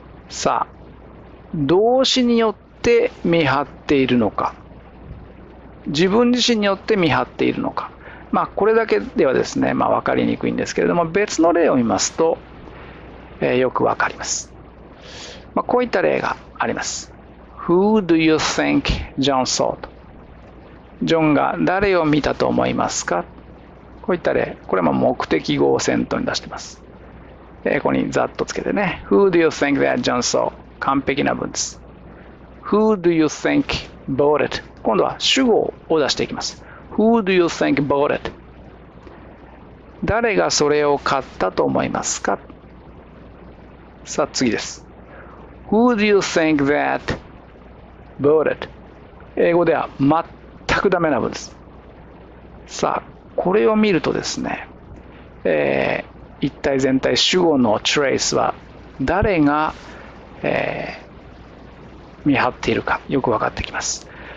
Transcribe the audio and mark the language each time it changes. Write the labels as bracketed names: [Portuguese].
[Japanese] さあ、動詞によって見張っているのか、自分自身によって見張っているのか、まあ、これだけではですね、分かりにくいんですけれども、別の例を見ますと、よくわかります。まあ、こういった例があります。 [English] Who do you think John saw? [Japanese] ジョンが誰を見たと思いますか？こういった例、これも目的語をセントに出しています。ここにざっとつけてね。 [English] Who do you think that John saw? [Japanese] 完璧な文です。 [English] Who do you think bought it? [Japanese] 今度は主語を出していきます。 [English] Who do you think bought it? [Japanese] 誰がそれを買ったと思いますか？さあ次です。 [English] Who do you think that bought it? [Japanese] 英語では全くダメな文です。さあ、これを見るとですね、一体全体主語の trace は誰が、見張っているかよく分かってきます。